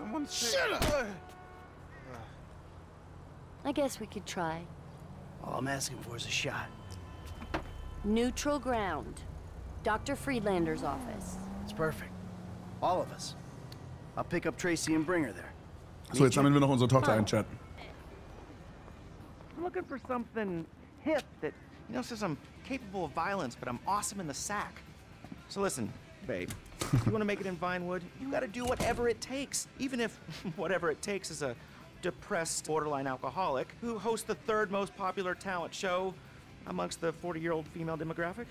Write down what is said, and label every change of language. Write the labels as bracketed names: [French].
[English] Shut up! I guess we could try. All I'm asking for is a shot. Neutral ground. Dr. Friedlander's office. It's perfect. All of us. I'll pick up Tracy and bring her there. [German] So jetzt haben wir noch unsere Tochter einchatten. [English] I'm looking for something hip that, you know, says I'm capable of violence, but I'm awesome in the sack. So listen, babe, if you want to make it in Vinewood, you got to do whatever it takes, even if whatever it takes is a depressed borderline alcoholic who hosts the third most popular talent show amongst the 40-year-old female demographic.